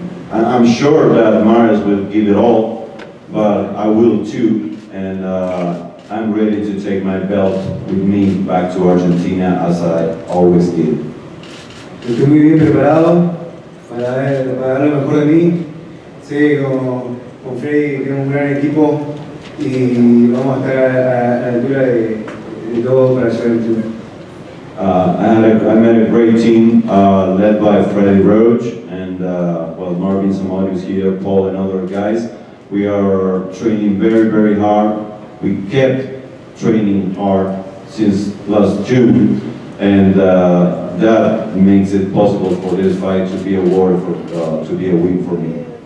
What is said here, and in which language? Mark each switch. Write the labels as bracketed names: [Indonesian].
[English] I'm sure that Mares will give it all, but I will too. And. I'm ready to take my belt with me back to Argentina as I always did. [Spanish] Estoy muy bien preparado para dar lo mejor de mí. Sé que con Freddy tenemos un gran equipo y vamos a estar a la altura de todo para llegar al título. [English] I met a great team led by Freddy Roach and well, Marvin Samadius here, Paul and other guys. We are training very, very hard. We kept training hard since last June, and that makes it possible for this fight to be a war for to be a win for me.